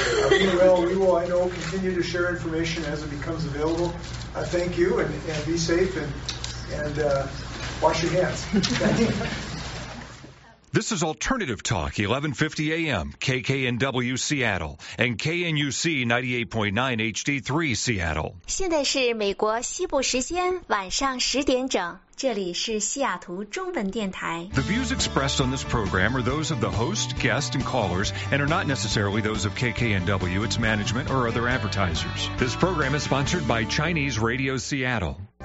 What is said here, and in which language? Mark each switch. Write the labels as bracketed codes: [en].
[en] We will, I know, continue to share information as it becomes available. I thank you, and be safe, and wash your hands. This is Alternative Talk, 1150 AM, KKNW Seattle, and KNUC 98.9 HD3 Seattle. [zh] 现在是美国西部时间晚上十点整，这里是西雅图中文电台。 [en] The views expressed on this program are those of the host, guest, and callers, and are not necessarily those of KKNW, its management, or other advertisers. This program is sponsored by Chinese Radio Seattle.